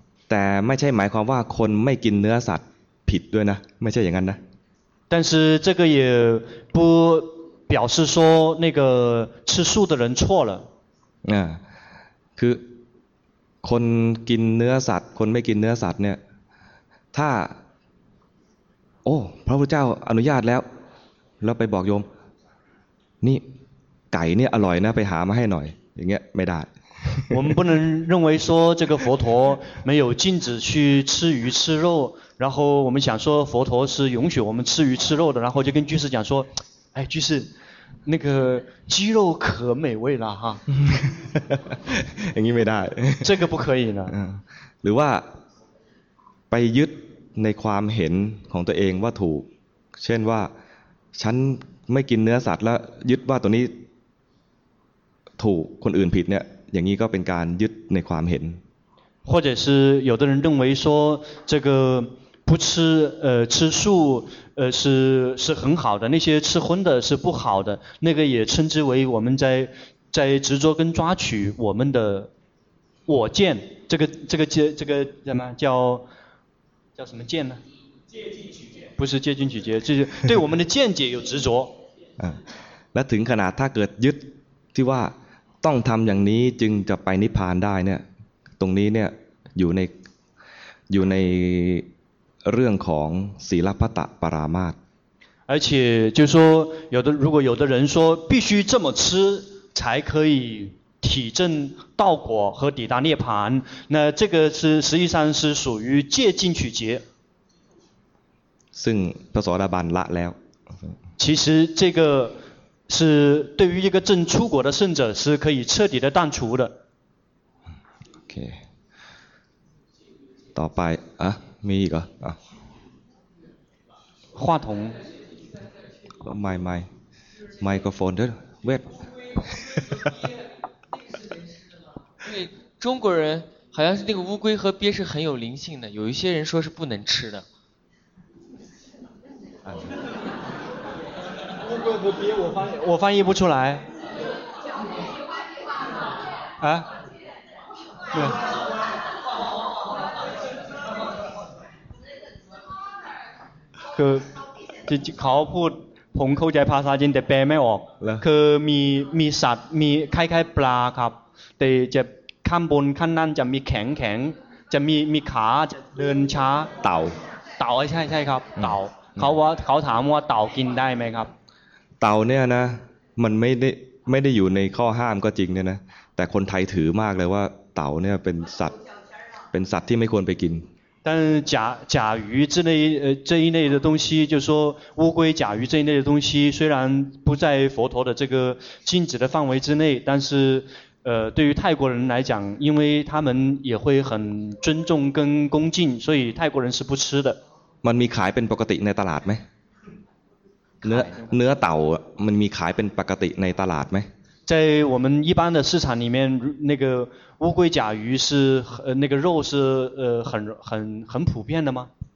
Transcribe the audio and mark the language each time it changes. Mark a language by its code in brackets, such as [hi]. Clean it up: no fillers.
[th] แต่ไม่ใช่หมายความว่าคนไม่กินเนื้อสัตว์ผิดด้วยนะไม่ใช่อย่างนั้นนะ [zh] 但是这个也不表示说那个吃素的人错了 [th] คือคนกินเนื้อสัตว์คนไม่กินเนื้อสัตว์เนี่ยถ้าโอ้พระพุทธเจ้าอนุญาตแล้วไปบอกโยมนี่ไก่เนี่ยอร่อยนะไปหามาให้หน่อยอย่างเงี้ยไม่ได้ [zh] 我们不能认为说这个佛陀没有禁止去吃鱼吃肉，然后我们想说佛陀是允许我们吃鱼吃肉的，然后就跟居士讲说，哎，居士，那个鸡肉可美味了哈。 [th] อย่างนี้ไม่ได้ [zh] 这个不可以呢。 [th] หรือว่าไปยึดในความเห็นของตัวเองว่าถูกเช่นว่าฉันไม่กินเนื้อสัตว์แล้วยึดว่าตัวนี้ถูกคนอื่นผิดเนี่ยอย่างนี้ก็เป็นการยึดในความเห็น [zh] 或者是有的人认为说这个不吃吃素是很好的，那些吃荤的是不好的，那个也称之为我们在执着跟抓取我们的我见，这个什么叫什么见呢？戒禁取戒，不是戒禁取戒，就是对我们的见解有执着。 [th] 嗯，และถึงขนาดถ้าเกิดยึดที่ว่าต้องทำอย่างนี้จึงจะไปนิพพานได้เนี่ยตรงนี้เนี่ยอยู่ในเรื่องของศีลัพพตปรามาส [zh] 而且就说有的如果有的人说必须这么吃才可以体证道果和抵达涅槃那这个是实际上是属于戒禁取戒 [th] ซึ่งพระโสดาบันละแล้ว [zh] 其实这个是对于一个正出果的圣者是可以彻底的断除的 [th] OK ต่อไปอะมีอีกเหรออ่ะ [zh] 话筒 [th] ไม่ไมโครโฟนเด้อเว็บ [zh] 中国人好像是那个乌龟和鳖是很有灵性的有一些人说是不能吃的乌龟和鳖我翻译不出来啊对 [th] คือที่เขาพูดผมเข้าใจภาษาจีนแต่แปลไม่ออกคือมีสัตว์มีคล้ายๆปลาครับแต่จะข้างบนข้างนั่นจะมีแข็งๆจะมีขาจะเดินช้า เต่า เต่าใช่ครับเต่าเขาถามว่าเต่ากินได้ไหมครับ เต่าเนี่ยนะมันไม่ได้อยู่ในข้อห้ามก็จริงเนี่ยนะแต่คนไทยถือมากเลยว่าเต่าเนี่ยเป็นสัตว์ที่ไม่ควรไปกิน [zh] 但甲鱼这一类的东西，就是说乌龟、甲鱼这一类的东西，虽然不在佛陀的这个禁止的范围之内，但是对于泰国人来讲，因为他们也会很尊重跟恭敬，所以泰国人是不吃的。 [th] มันมีขายเป็นปกติในตลาดไหมเนื้อเต่ามันมีขายเป็นปกติในตลาดไหม [zh] 在我们一般的市场里面，那个乌龟、甲鱼是那个肉是很普遍的吗？